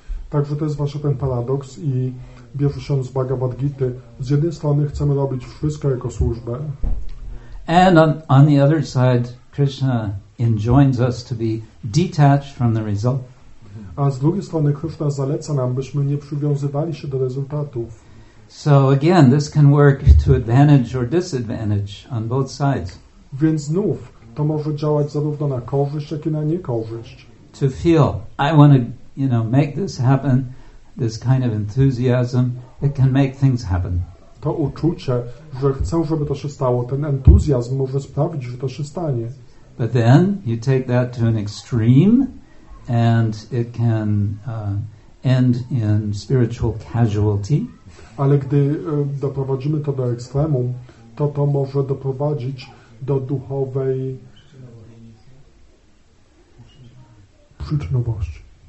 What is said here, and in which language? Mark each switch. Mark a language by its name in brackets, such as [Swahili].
[Polish] Także to jest właśnie ten paradoks i bierze się on z Bhagavad Gita. Z jednej strony chcemy robić wszystko jako służbę. [English] And on the other side, Krishna enjoins us to be detached from the result. [Polish] A z drugiej strony Krishna zaleca nam, byśmy nie przywiązywali się do rezultatów. [English] So again, this can work to advantage or disadvantage on both sides. [Polish] Więc znów, to może działać zarówno na korzyść, jak i na niekorzyść. [English] To feel, I want to, you know, make this happen, this kind of enthusiasm, it can make things happen. [Polish] To uczucie, że chcę, żeby to się stało, ten entuzjazm może sprawić, że to się stanie. [English] But then you take that to an extreme and it can end in spiritual casualty. [Polish] Ale gdy doprowadzimy to do ekstremum, to to może doprowadzić do duchowej przyczynowości.